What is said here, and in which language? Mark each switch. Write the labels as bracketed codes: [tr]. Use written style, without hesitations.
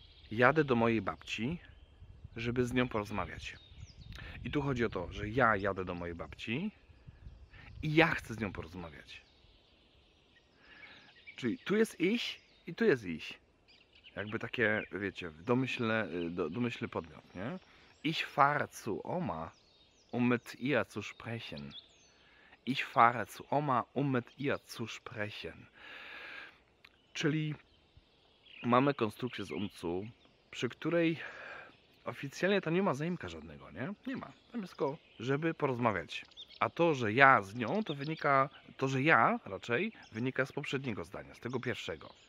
[pl] Jadę do mojej babci, żeby z nią porozmawiać. I tu chodzi o to, że ja jadę do mojej babci i ja chcę z nią porozmawiać. Czyli tu jest ich i tu jest ich. Jakby takie, wiecie, domyślny podmiot, nie? [de] Ich fahre zu Oma, mit ihr zu sprechen. Ich fahre zu Oma, mit ihr zu sprechen. [pl] Czyli mamy konstrukcję z umcu, przy której oficjalnie to nie ma zaimka żadnego, nie? Nie ma. Tam jest tylko, żeby porozmawiać. A to, że ja z nią, to wynika, to, że ja raczej, wynika z poprzedniego zdania, z tego pierwszego.